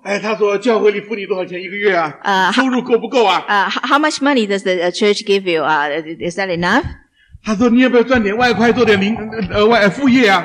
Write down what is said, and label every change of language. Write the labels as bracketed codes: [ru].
[zh] 哎,他说,教会里付你多少钱一个月啊? 收入够不够啊? [en] How much money does the church give you? Is that enough? [zh] 他说,你要不要赚点外快,做点副业啊?